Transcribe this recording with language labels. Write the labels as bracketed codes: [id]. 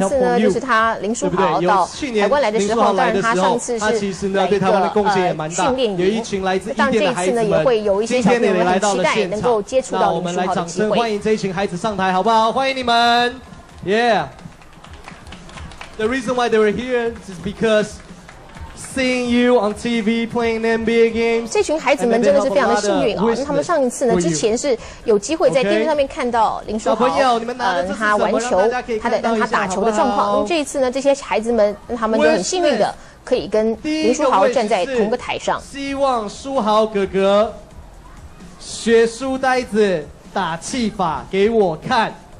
[zh] 上次呢，就是他林书豪到台湾来的时候，林书豪来的时候，他其实呢对台湾的贡献也蛮大，有一群来自伊甸的孩子们。今天你们来到了现场，能够接触到林书豪，我们来掌声欢迎这一群孩子上台，好不好？欢迎你们 ，Yeah。 [en] The reason why they were here is because seeing you on TV playing NBA games. [zh] 这群孩子们真的是非常的幸运啊！他们上一次呢，之前是有机会在电视上面看到林书豪，小朋友，你们拿着他玩球，他的让他打球的状况。那么这一次呢，这些孩子们他们都很幸运的可以跟林书豪站在同个台上。希望书豪哥哥学书呆子打气法给我看。